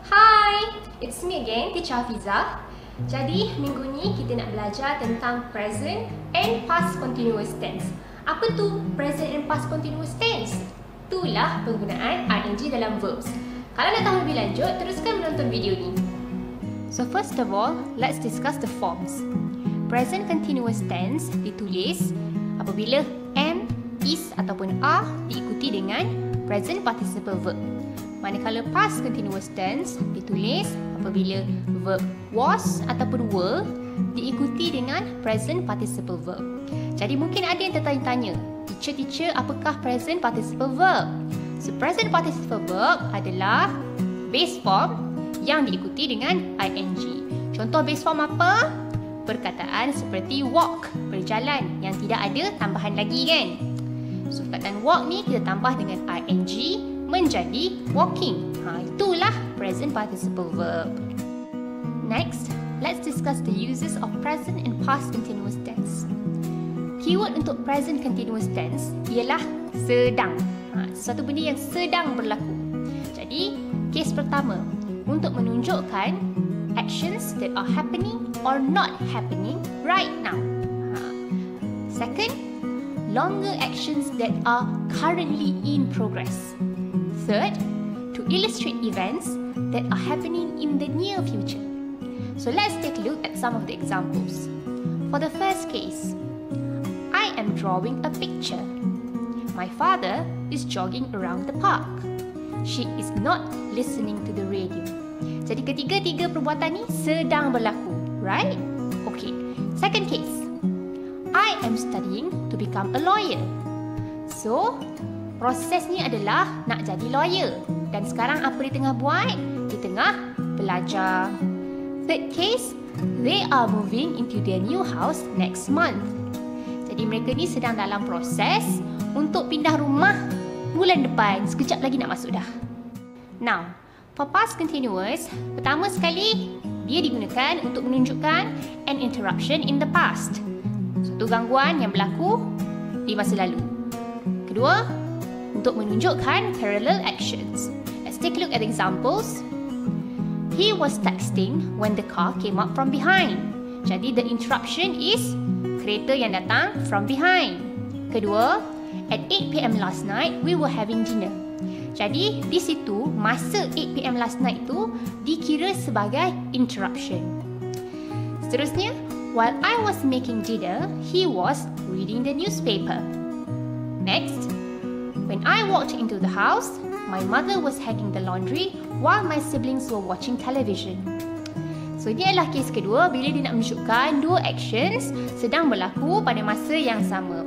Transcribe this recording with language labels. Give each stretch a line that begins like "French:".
English: Hi, it's me again, Teacher Hafiza.
Malay: Jadi, minggu ni kita nak belajar tentang present and past continuous tense. Apa tu present and past continuous tense? Itulah penggunaan ing dalam verbs. Kalau nak tahu lebih lanjut, teruskan menonton video ni.
English: So first of all, let's discuss the forms.
Malay: Present continuous tense ditulis apabila am, is ataupun are diikuti dengan present participle verb. Manakala past continuous tense ditulis apabila verb was ataupun were diikuti dengan present participle verb. Jadi mungkin ada yang tertanya-tanya, teacher, apakah present participle verb? So present participle verb adalah base form yang diikuti dengan ing. Contoh base form apa? Perkataan seperti walk, berjalan, yang tidak ada tambahan lagi kan? So perkataan walk ni kita tambah dengan ing menjadi walking. Ha, itulah present participle verb.
English: Next, let's discuss the uses of present and past continuous tense.
Malay: Keyword untuk present continuous tense ialah sedang. Ha, sesuatu benda yang sedang berlaku. Jadi, kes pertama untuk menunjukkan
English: actions that are happening or not happening right now.
Malay: Ha.
English: Second, longer actions that are currently in progress. Third, to illustrate events that are happening in the near future. So let's take a look at some of the examples. For the first case, I am drawing a picture. My father is jogging around the park. She is not listening to the radio.
Malay: Jadi ketiga-tiga perbuatan ni sedang berlaku, right?
English: Okay, second case. I am studying to become a lawyer.
Malay: So, prosesnya adalah nak jadi lawyer. Dan sekarang apa dia tengah buat? Dia tengah belajar.
English: Third case, they are moving into their new house next month.
Malay: Jadi mereka ni sedang dalam proses untuk pindah rumah bulan depan. Sekejap lagi nak masuk dah. Now, for past continuous, pertama sekali, dia digunakan untuk menunjukkan
English: an interruption in the past.
Malay: Suatu gangguan yang berlaku di masa lalu. Kedua, untuk menunjukkan parallel actions.
English: Let's take a look at examples. He was texting when the car came up from behind.
Malay: Jadi,
English: the interruption is
Malay: kereta yang datang
English: from behind.
Malay: Kedua,
English: at 8 PM last night, we were having dinner.
Malay: Jadi, di situ, masa
English: 8 PM last night
Malay: tu dikira sebagai interruption. Seterusnya,
English: while I was making dinner, he was reading the newspaper. Next, when I walked into the house, my mother was hanging the laundry while my siblings were watching television.
Malay: So, ini adalah kes kedua bila dia nak menunjukkan dua actions sedang berlaku pada masa yang sama.